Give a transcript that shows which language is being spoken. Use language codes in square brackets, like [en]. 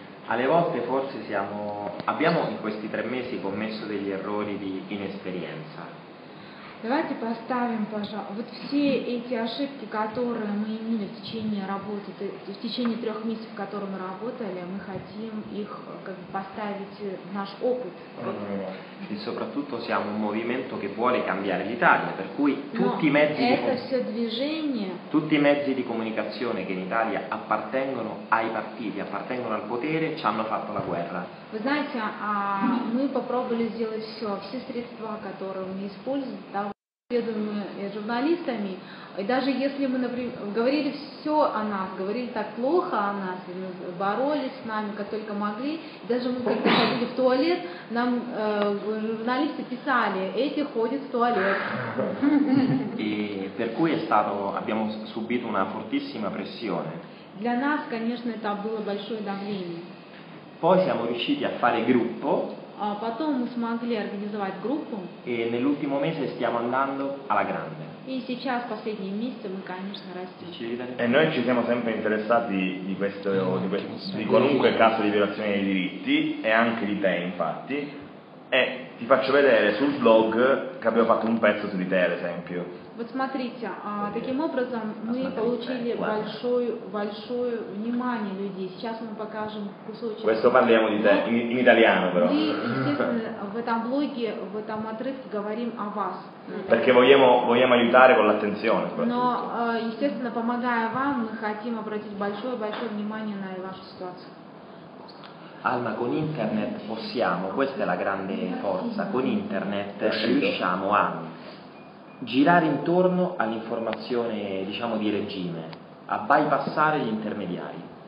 [it] Alle volte forse abbiamo in questi tre mesi commesso degli errori di inesperienza. [ru] Давайте поставим, пожалуйста, вот все эти ошибки, которые мы имели в течение работы, в течение трех месяцев, в котором мы работали, мы хотим их как бы поставить в наш опыт. И [it] soprattutto siamo un movimento che vuole cambiare l'Italia, per cui tutti i mezzi tutti i mezzi di comunicazione che in Italia appartengono ai partiti, appartengono al potere, ci hanno fatto la guerra. [ru] Вы знаете, мы попробовали сделать все средства, которые мы используем, да, исследуемые журналистами, и даже если мы, например, говорили все о нас, говорили так плохо о нас, боролись с нами, как только могли, даже мы когда ходили в туалет, нам журналисты писали, эти ходят в туалет. И [it] per cui abbiamo subito una fortissima pressione. [ru] Для нас, конечно, это было большое давление. [it] Poi siamo riusciti a fare gruppo. [ru] Потом мы смогли организовать группу. [it] E nell'ultimo mese stiamo andando alla grande. [ru] И сейчас последние месяцы мы, конечно, растем. [it] E noi ci siamo sempre interessati di questo, di qualunque caso di violazione dei diritti e anche di te, infatti. E ti faccio vedere sul blog che abbiamo fatto un pezzo su di te, ad esempio. [ru] Вот смотрите, таким образом мы получили большое внимание людей. Сейчас мы покажем кусочек. [it] Questo parliamo di te, in italiano però. [ru] В этом блоге, в этом отрывке говорим о вас. [it] Perché vogliamo aiutare con l'attenzione. [ru] Но, естественно, помогая вам, мы хотим обратить большое внимание на вашу ситуацию. [it] Alma, con internet possiamo, questa è la grande forza, con internet riusciamo a girare intorno all'informazione, diciamo, di regime, a bypassare gli intermediari.